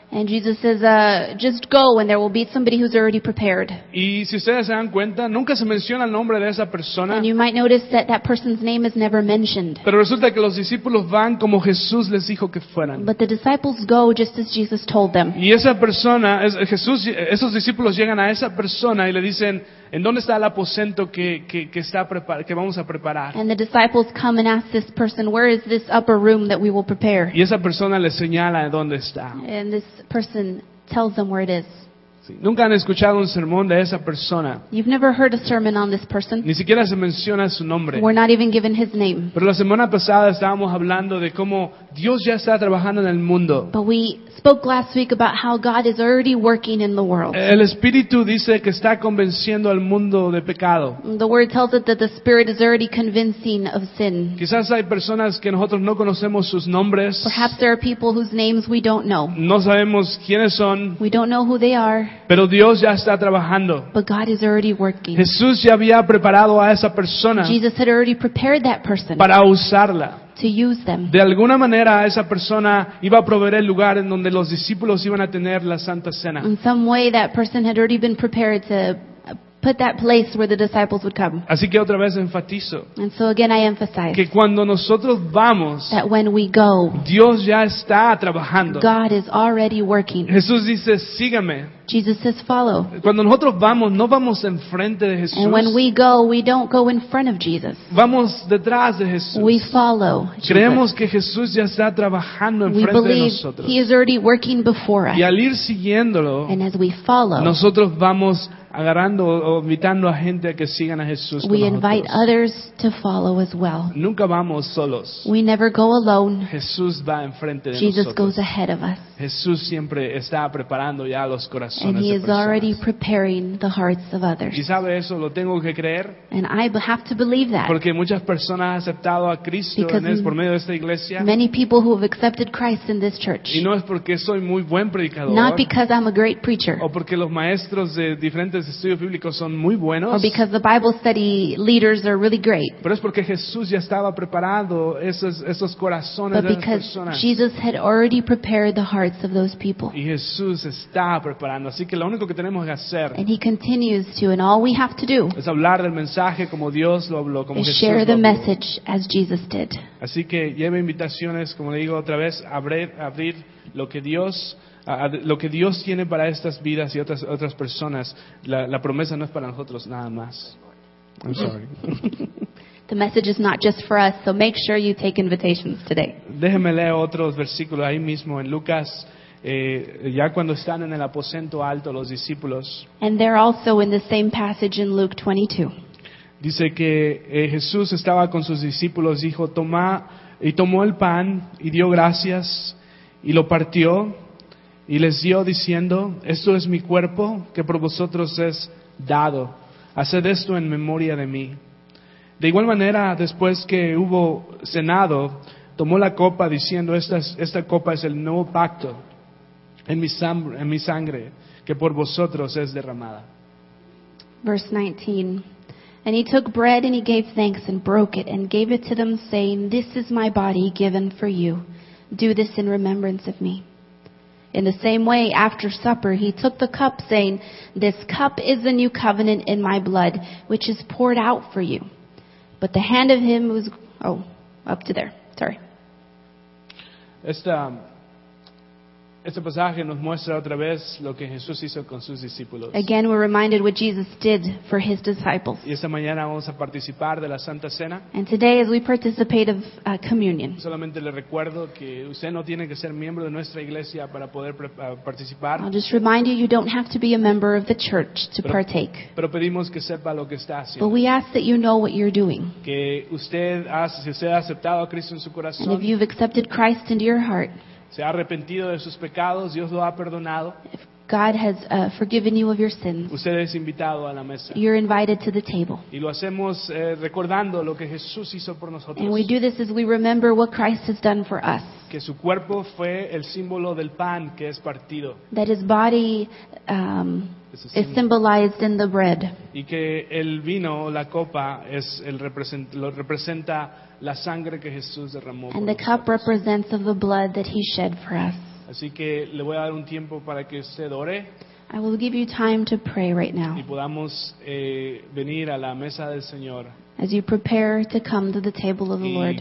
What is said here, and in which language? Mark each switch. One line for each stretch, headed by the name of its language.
English: And Jesus says, just go and there will be somebody who's already prepared.
Spanish: Y si ustedes se dan cuenta, nunca se menciona el nombre de esa persona.
English: And you might notice that person's name is never mentioned.
Spanish: Pero resulta que los discípulos van como Jesús les dijo que fueran.
English: But the disciples go just as Jesus told them.
Spanish: Y esa persona, Jesús, esos discípulos llegan a esa persona y le dicen, ¿en dónde está el aposento que vamos a preparar?
English: And the disciples come and ask this person, where is this upper room that we will prepare?
Spanish: Y esa persona le señala dónde está.
English: And this person tells them where it is.
Spanish: Sí. Nunca han escuchado un sermón de esa persona.
English: You've never heard a sermon on this person.
Spanish: Ni siquiera se menciona su nombre.
English: We're not even given his name.
Spanish: Pero la semana pasada estábamos hablando de cómo Dios ya está trabajando en el mundo.
English: But we spoke last week about how God is already working in the world.
Spanish: El Espíritu dice que está convenciendo al mundo de pecado.
English: The word tells it that the Spirit is already convincing of sin.
Spanish: Quizás hay personas que nosotros no conocemos sus nombres.
English: Perhaps there are people whose names we don't know.
Spanish: No sabemos quiénes son.
English: We don't know who they are.
Spanish: Pero Dios ya está trabajando.
English: But God is already working.
Spanish: Jesús ya había preparado a esa persona.
English: Jesus had already prepared that person.
Spanish: Para usarla.
English: To use them.
Spanish: De alguna manera esa persona iba a proveer el lugar en donde los discípulos iban a tener la Santa Cena.
English: In some way that person had already been prepared to put that place where the disciples would come.
Spanish: Así que otra vez enfatizo.
English: And so again I emphasize.
Spanish: Que cuando nosotros vamos.
English: That when we go.
Spanish: Dios ya está trabajando.
English: God is already working.
Spanish: Jesús dice, sígame.
English: Jesus says, follow.
Spanish: Cuando nosotros vamos, no vamos enfrente de Jesús.
English: And when we go, we don't go in front of Jesus.
Spanish: Vamos detrás de Jesús.
English: We follow Jesus.
Spanish: Creemos que Jesús ya está trabajando enfrente de nosotros.
English: We believe he is already working before us.
Spanish: Y al ir siguiéndolo.
English: And as we follow.
Spanish: Nosotros vamos agarrando o invitando a gente a que sigan a Jesús con nosotros.
English: We invite others to follow as well.
Spanish: Nunca vamos solos.
English: We never go alone.
Spanish: Jesús va enfrente de
English: Jesus
Spanish: nosotros.
English: Jesus goes ahead of us.
Spanish: Jesús siempre está preparando ya los corazones
English: and he
Spanish: de
English: is
Spanish: personas.
English: Already preparing the hearts of others.
Spanish: ¿Y sabe eso? Lo tengo que creer.
English: And I have to believe that.
Spanish: Porque muchas personas han aceptado a Cristo por medio de esta iglesia.
English: Many people who have accepted Christ in this church.
Spanish: Y no es porque soy muy buen predicador.
English: Not because I'm a great preacher.
Spanish: O porque los maestros de diferentes estudios bíblicos son muy buenos.
English: Or because the Bible study leaders are really great.
Spanish: Pero es porque Jesús ya estaba preparando esos corazones
English: but
Spanish: de las personas.
English: Because Jesus had already prepared the hearts of those people.
Spanish: Y Jesús está preparando, así que lo único que tenemos que hacer.
English: And he continues to, and all we have to do.
Spanish: Es hablar del mensaje como Dios lo habló, como Jesús lo habló.
English: Share the message as Jesus did.
Spanish: Así que lleve invitaciones, como le digo otra vez, abrir lo que Dios tiene para estas vidas y otras personas. La promesa no es para nosotros nada más.
English: I'm sorry. The message is not just for us, so make sure you take invitations today.
Spanish: Déjeme leer otros versículos ahí mismo en Lucas, ya cuando están en el aposento alto los discípulos.
English: And they're also in the same passage in Luke 22.
Spanish: Dice que Jesús estaba con sus discípulos, dijo, tomó el pan y dio gracias y lo partió y les dio diciendo, esto es mi cuerpo que por vosotros es dado. Haced esto en memoria de mí. De igual manera, después que hubo cenado, tomó la copa diciendo, esta copa es el nuevo pacto en mi sangre, que por vosotros es derramada.
English: Verse 19. And he took bread and he gave thanks and broke it and gave it to them, saying, "This is my body given for you. Do this in remembrance of me." In the same way, after supper, he took the cup, saying, "This cup is the new covenant in my blood, which is poured out for you." But the hand of him was... Oh, up to there. Sorry.
Spanish: Este pasaje nos muestra otra vez lo que Jesús hizo con sus discípulos.
English: Again, we're reminded what Jesus did for his disciples.
Spanish: Y esta mañana vamos a participar de la Santa Cena.
English: And today, as we participate of communion.
Spanish: Solamente le recuerdo que usted no tiene que ser miembro de nuestra iglesia para poder participar.
English: I'll just remind you, you don't have to be a member of the church to partake.
Spanish: Pero pedimos que sepa lo que está haciendo.
English: But we ask that you know what you're doing.
Spanish: Que usted si usted ha aceptado a Cristo en su corazón.
English: And if you've accepted Christ into your heart.
Spanish: Se ha arrepentido de sus pecados, Dios lo ha perdonado.
English: If God has forgiven you of your sins,
Spanish: usted es invitado a la mesa.
English: You're invited to the table.
Spanish: Y lo hacemos recordando lo que Jesús hizo por nosotros.
English: And we do this as we remember what Christ has done for us.
Spanish: Que su cuerpo fue el símbolo del pan que es partido.
English: That his body is symbolized in the bread.
Spanish: Y que el vino o la copa es el representa la sangre que Jesús derramó.
English: And the cup represents of the blood that he shed for us.
Spanish: Así que le voy a dar un tiempo para que usted ore.
English: I will give you time to pray right now.
Spanish: Y podamos venir a la mesa del Señor.
English: As you prepare to come to the table of the Lord.